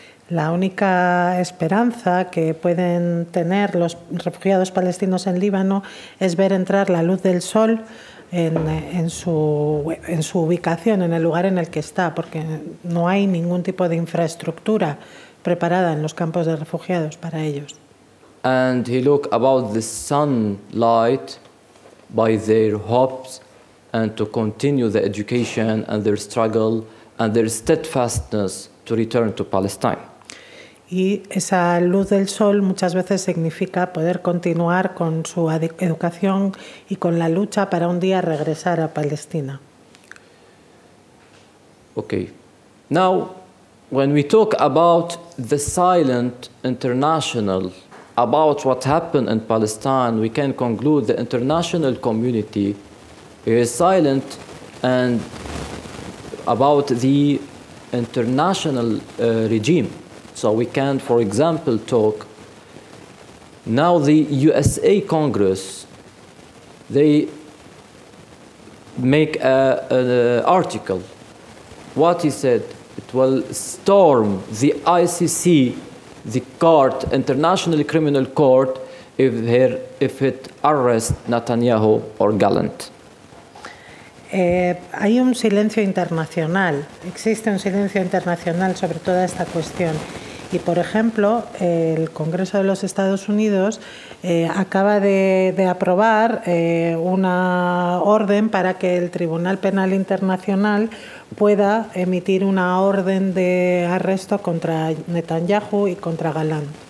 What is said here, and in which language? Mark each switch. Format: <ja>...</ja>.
<es>La única esperanza que pueden tener los refugiados palestinos en Líbano es ver entrar la luz del sol en su ubicación, en el lugar en el que está, porque no hay ningún tipo de infraestructura preparada en los campos de refugiados para ellos.</es> <en>And he looked about the sunlight by their hopes and to continue the education and their struggle and their steadfastness to return to Palestine.</en> <es>Y esa luz del sol muchas veces significa poder continuar con su educación y con la lucha para un día regresar a Palestina.</es> <en>Okay. Now, when we talk about the silent international about what happened in Palestine, we can conclude the international community is silent, and about the international regime. So we can, for example, talk now the USA Congress, they make an article. What he said, it will storm the ICC, the court, International Criminal Court, if it arrests Netanyahu or Gallant.</en> <es>Hay un silencio internacional. Existe un silencio internacional sobre toda esta cuestión. Y, por ejemplo, el Congreso de los Estados Unidos acaba de aprobar una orden para que el Tribunal Penal Internacional pueda emitir una orden de arresto contra Netanyahu y contra Galán.</es>